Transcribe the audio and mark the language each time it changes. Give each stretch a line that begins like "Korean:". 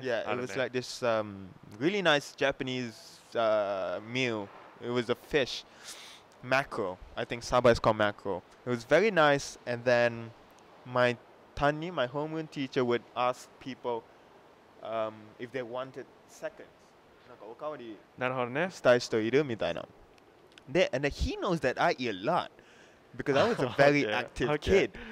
English: Yeah, it was like this really nice Japanese meal. It was a fish. Mackerel. I think Saba is called mackerel. It was very nice, and then my Tani, my homeroom teacher, would ask people if they wanted seconds.
Japanese: なるほどね。したい人いるみたいな。
English: And he knows that I eat a lot because I was a very active kid.